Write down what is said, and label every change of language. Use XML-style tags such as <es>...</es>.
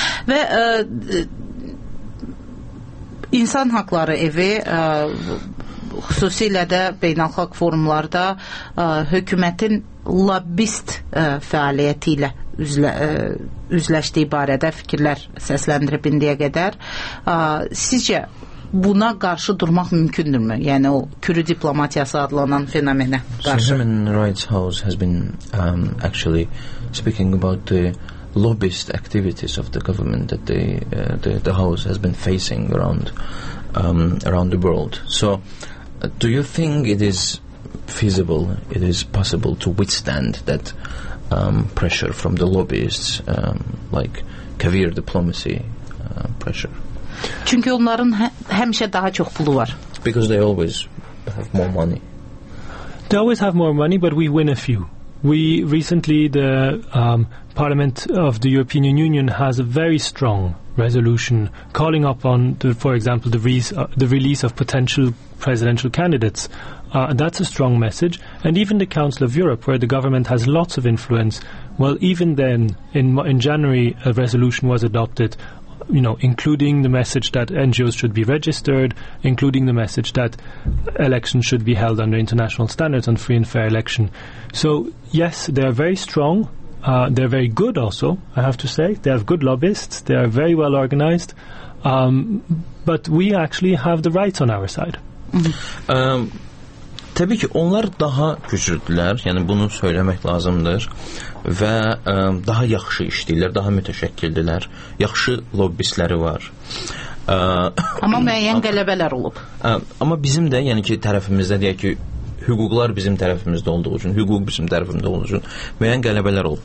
<az>Və insan haqları evi xüsusilə də beynəlxalq forumlarda hökumətin lobbist fəaliyyəti ilə üzləşdiyi barədə fikirlər səsləndirib indiyə qədər. Sizcə buna qarşı durmaq mümkündürmü? Yəni o kürü diplomatiyası adlanan fenomenə qarşı.</az> <en>The Human Rights House has been actually speaking about the lobbyist activities of the government that the house has been facing around the world. So do you think it is feasible, it is possible to withstand that pressure from the lobbyists, like caviar diplomacy pressure?</en> <az>Çünki onların həmişə daha çox pulu var.</az> <en>Because they always have more money. They always have more money, but we win a few. We recently, the Parliament of the European Union has a very strong resolution calling upon, for example, the release of potential presidential candidates. That's a strong message. And even the Council of Europe, where the government has lots of influence, well, even then, in January, a resolution was adopted, you know, including the message that NGOs should be registered, including the message that elections should be held under international standards on free and fair election. So, yes, they are very strong. They're very good also, I have to say. They have good lobbyists. They are very well organized. But we actually have the rights on our side.</en> <az>Təbii ki, onlar daha güclüdürlər, yəni bunu söyləmək lazımdır və daha yaxşı işləyirlər, daha mütəşəkkildirlər, yaxşı lobbistləri var. Amma müəyyən qələbələr olub. Amma bizim də, yəni ki, tərəfimizdə deyək ki, hüquqlar bizim tərəfimizdə olduğu üçün, hüquq bizim tərəfimizdə olduğu üçün müəyyən qələbələr olub.</az>